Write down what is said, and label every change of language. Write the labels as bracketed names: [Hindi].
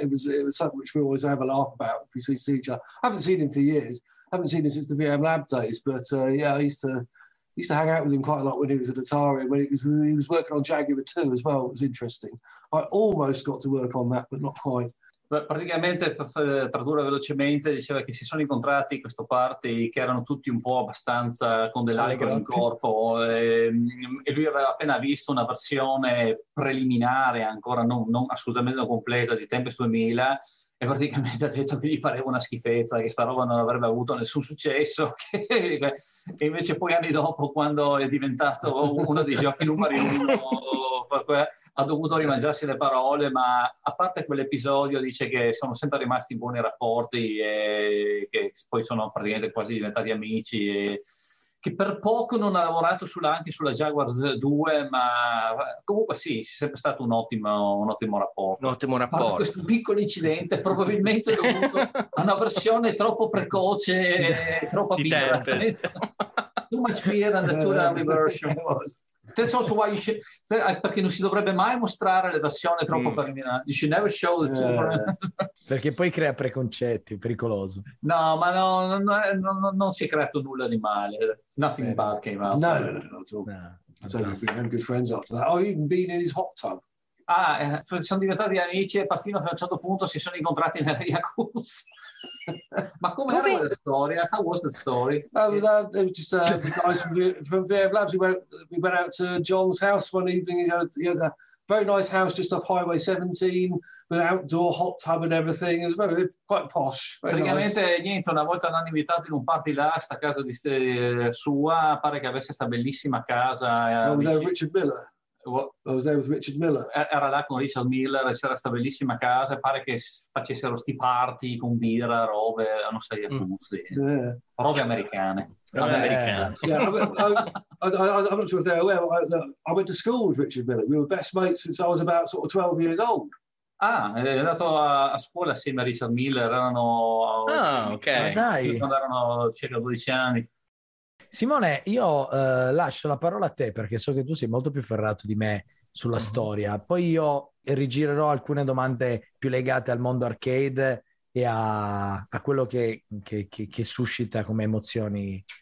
[English] It was something which we always have a laugh about if we see each other. I haven't seen him for years. I haven't seen him since the VM Lab days, but yeah, I used to hang out with him quite a lot when he was at Atari, when he was working on Jaguar 2 as well. It was interesting. I almost got to work on that, but not quite. [Italian] Praticamente, per tradurre velocemente, diceva che si sono incontrati questo party che erano tutti un po' abbastanza con dell'alcol in corpo, e lui aveva appena visto una versione preliminare, ancora non assolutamente completa, di Tempest 2000, e praticamente ha detto che gli pareva una schifezza, che sta roba non avrebbe avuto nessun successo, e invece poi anni dopo, quando è diventato uno dei giochi numeri uno... ha dovuto rimangiarsi le parole, ma a parte quell'episodio dice che sono sempre rimasti in buoni rapporti e che poi sono praticamente quasi diventati amici, e che per poco non ha lavorato anche sulla Jaguar 2, ma comunque sì, è sempre stato un ottimo rapporto. Fatto questo piccolo incidente probabilmente dovuto a una versione troppo precoce e troppo birra. [English] Too much beer and the two early version. That's also why [Italian] perché non si dovrebbe mai mostrare le versioni troppo preliminari. [English] You should never show it. [Italian] Perché poi crea preconcetti, pericoloso. No, ma non si è creato nulla di male. [English] Nothing bad came out. No. So we've been good friends after that. I've even been in his hot tub. [Italian] Ah, sono diventati amici e fino a un certo punto si sono incontrati nella jacuzzi. Ma come era la storia? [English] How was the story? From VM Labs, we went out to John's house one evening. He had a very nice house just off Highway 17 with an outdoor hot tub and everything. It was very, quite posh. Very [Italian] praticamente [English] nice. [Italian] Niente, una volta l'hanno invitato in un party là, sta casa di sua, pare che avesse sta bellissima casa. [English] Richard Miller. I was there with Richard Miller. [Italian] Era là con Richard Miller, c'era sta bellissima casa, pare che facessero sti party con birra, robe, non so, robe americane. [English] I'm not sure if they're aware, I went to school with Richard Miller. We were best mates since I was about sort of 12 years old. [Italian] Ah, è andato a scuola assieme a Richard Miller, erano... Ah, ok. Dai. Quando erano circa 12 anni. Simone, io lascio la parola a te perché so che tu sei molto più ferrato di me sulla storia. Poi io rigirerò alcune domande più legate al mondo arcade e a quello che suscita come emozioni